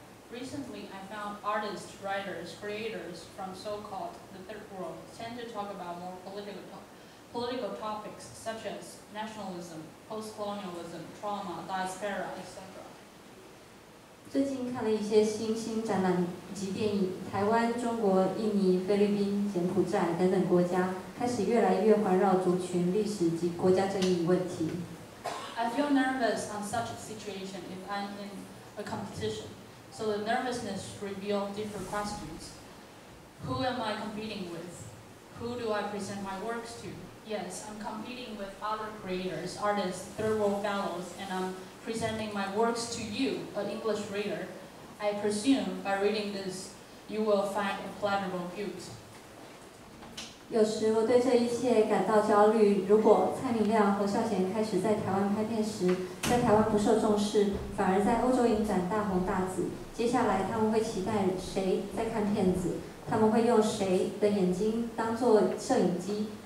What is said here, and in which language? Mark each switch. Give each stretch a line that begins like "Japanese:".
English: Recently, I found artists, writers, creators from so-called the third world tend to talk about more political topics such as nationalism, post-colonialism, trauma, diaspora, etc.
Chinese: 最近看了一些新兴展览及电影，台湾、中国、印尼、菲律宾、柬埔寨等等国家开始越来越环绕族群历史及国家争议问题。
English: I feel nervous on such a situation if I'm in a competition, so the nervousness reveals different questions. Who am I competing with? Who do I present my works to? Yes, I'm competing with other creators, artists, third world fellows, and I'm. Presenting my works to you, an English reader, I presume by reading this, you will find a pleasurable view.
Chinese: 有时我对这一切感到焦虑。如果蔡明亮和孝贤开始在台湾拍片时，在台湾不受重视，反而在欧洲影展大红大紫，接下来他们会期待谁在看片子？他们会用谁的眼睛当作摄影机？